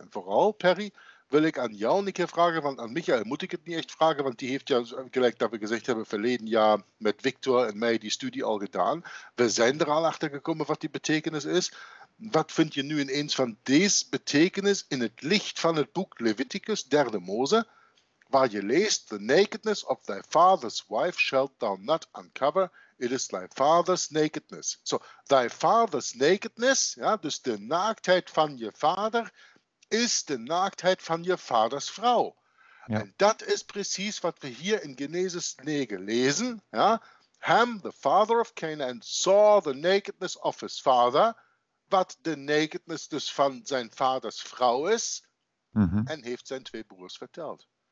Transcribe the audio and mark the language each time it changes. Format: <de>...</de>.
<nl>En vooral, Perry, wil ik aan jou een keer vragen, want aan Michael moet ik het niet echt vragen, want die heeft ja, gelijk dat we gezegd hebben, verleden jaar met Victor en mij die studie al gedaan. We zijn er al achter gekomen wat die betekenis is. Wat vind je nu ineens van deze betekenis in het licht van het boek Leviticus, derde Mose? Waar je leest,</nl> <en>the nakedness of thy father's wife shalt thou not uncover, it is thy father's nakedness. So, thy father's nakedness,</en> <nl>ja, dus de naaktheid van je vader, is de naaktheid van je vaders vrouw. Ja. En dat is precies wat we hier in Genesis 9 lezen. Ja.</nl> <en>Ham, the father of Canaan, saw the nakedness of his father,</en> <nl>wat de nakedness dus van zijn vaders vrouw is, en heeft zijn 2 broers verteld.</nl>